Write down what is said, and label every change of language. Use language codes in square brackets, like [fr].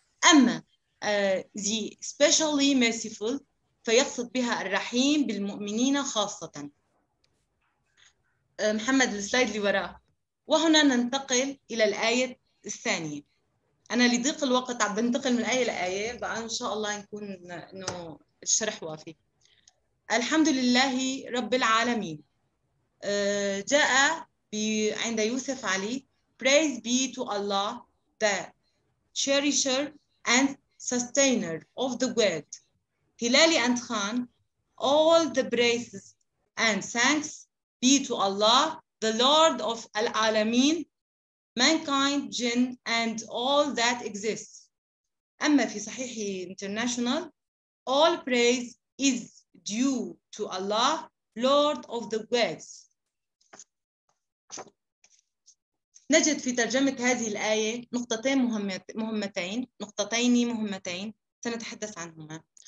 [ar] أما [en] the specially merciful [ar] فيقصد بها الرحيم بالمؤمنين خاصة. محمد السلايد اللي وراء. وهنا ننتقل إلى الآية الثانية. أنا لضيق الوقت بنتقل من آية لآية، بعد إن شاء الله نكون إنه الشرح وافي. الحمد لله رب العالمين. جاء عند [en] يوسف علي praise be to Allah the cherisher and sustainer of the world. هلالي and Khan all the praises and thanks be to Allah the Lord of al-alamin mankind jinn and all that exists. [ar] أما في [en] صحيح international all praise is due to Allah Lord of the worlds. [ar] نجد في ترجمة هذه الآية نقطتين مهمتين، نقطتين مهمتين سنتحدث عنهما.